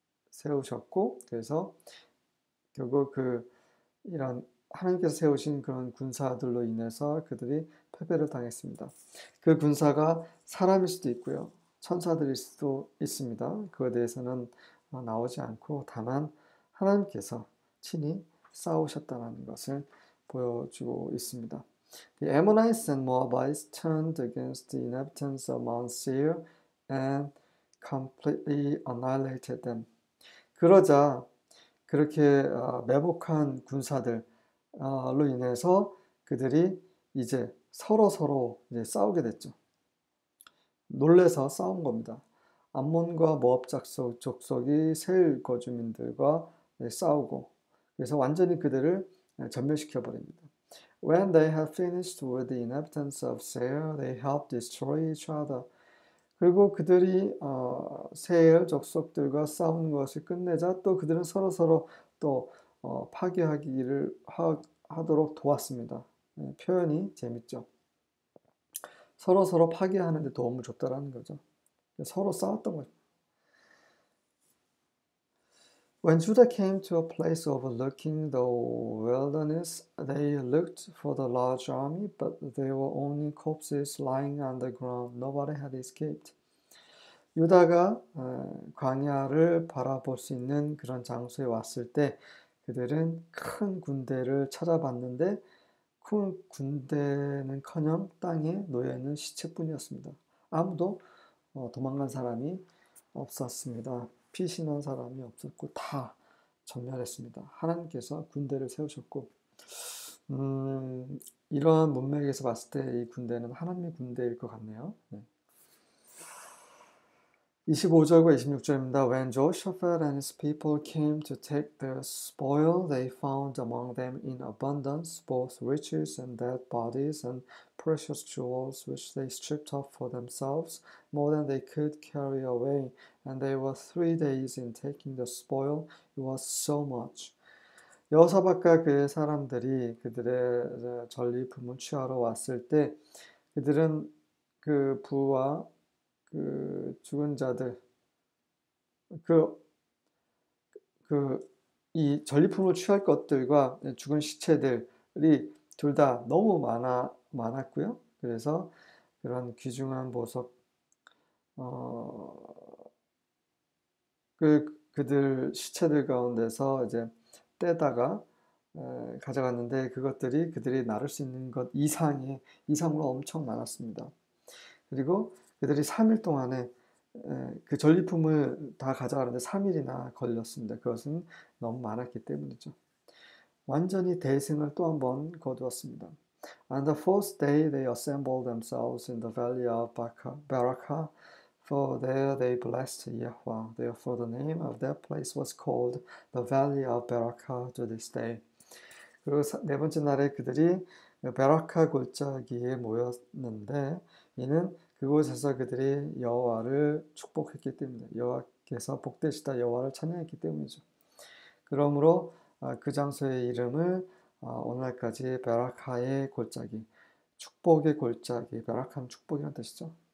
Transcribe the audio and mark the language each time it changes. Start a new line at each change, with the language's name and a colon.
Korean: 세우셨고, 그래서 결국 이런 하나님께서 세우신 그런 군사들로 인해서 그들이 패배를 당했습니다. 그 군사가 사람일 수도 있고요, 천사들일 수도 있습니다. 그거에 대해서는 나오지 않고, 다만 하나님께서 친히 싸우셨다는 것을 보여주고 있습니다.
English: The Ammonites and Moabites turned against the inhabitants of Mount Seir and completely annihilated them.
Korean: 그러자 그렇게 매복한 군사들로 인해서 그들이 이제 서로서로 이제 싸우게 됐죠. 놀래서 싸운 겁니다. 암몬과 모압 족속이 세일 거주민들과 싸우고 그래서 완전히 그들을 전멸시켜 버립니다.
English: When they had finished with the inhabitants of Seir, they helped destroy each other.
Korean: 그리고 그들이 세일 족속들과 싸운 것을 끝내자 또 그들은 서로서로 또 파괴하기를 하도록 도왔습니다. 표현이 재밌죠. 서로서로 파괴하는 데 도움을 줬다라는 거죠. 서로 싸웠던 거죠.
English: When Judah came to a place overlooking the wilderness, they looked for the large army, but there were only corpses lying on the ground. Nobody had escaped.
Korean: 유다가 광야를 바라볼 수 있는 그런 장소에 왔을 때 그들은 큰 군대를 찾아봤는데 큰 군대는커녕 땅에 놓여있는 시체뿐이었습니다. 아무도 도망간 사람이 없었습니다. 피신한 사람이 없었고 다 전멸했습니다. 하나님께서 군대를 세우셨고 이런 문맥에서 봤을 때이 군대는 하나님의 군대일 것 같네요. 네. 25절과 26절입니다.
English: When Jehoshaphat and his people came to take the spoil, they found among them in abundance both riches and dead bodies and precious jewels, which they stripped off for themselves, more than they could carry away. And they were 3 days in taking the spoil. It was so much.
Korean: 여호사밧과 그의 사람들이 그들의 전리품을 취하러 왔을 때, 그들은 그 부와 그 죽은 자들 이 전리품을 취할 것들과 죽은 시체들이 둘다 너무 많았고요. 그래서 그런 귀중한 보석 그들 시체들 가운데서 이제 떼다가 가져갔는데 그것들이 그들이 나를 수 있는 것 이상으로 엄청 많았습니다. 그리고 그들이 3일 동안에 그 전리품을 다 가져가는데 3일이나 걸렸습니다. 그것은 너무 많았기 때문이죠. 완전히 대승을 또한번 거두었습니다.
English: On the fourth day, they assembled themselves in the valley of Baraka, for there they blessed Yahweh. Therefore, the name of that place was called the Valley of Baraka to this day.
Korean: 그리고 네 번째 날에 그들이 베라카 골짜기에 모였는데 이는 그곳에서 그들이 여호와를 축복했기 때문에 여호와께서 복되시다 여호와를 찬양했기 때문이죠. 그러므로 그 장소의 이름을 오늘날까지 베라카의 골짜기, 축복의 골짜기, 베라카는 축복이란 뜻이죠.